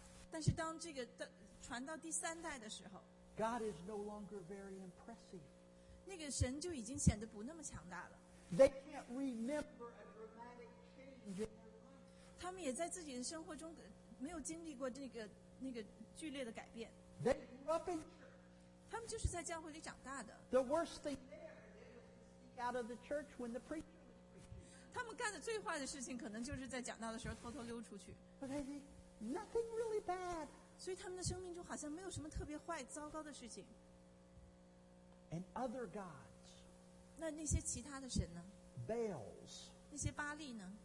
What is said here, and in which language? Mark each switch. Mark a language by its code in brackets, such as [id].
[zh] 但是当这个传到第三代的时候， [en] God is no longer very impressive. [zh] 那个神就已经显得不那么强大了。 [en] They can't remember a dramatic change in their life. [zh] 他们也在自己的生活中没有经历过那个剧烈的改变。 [en] They grew up in [zh] 他们就是在教会里长大的。 [en] The worst thing there is to sneak out of the church when the preacher was preaching. [zh] 他们干的最坏的事情，可能就是在讲道的时候偷偷溜出去。 [en] But they think nothing really bad. [zh] 所以他们的生命中好像没有什么特别坏、糟糕的事情。 [en] And other gods. [zh] 那些其他的神呢 [en] ？Baals. [zh] 那些巴力呢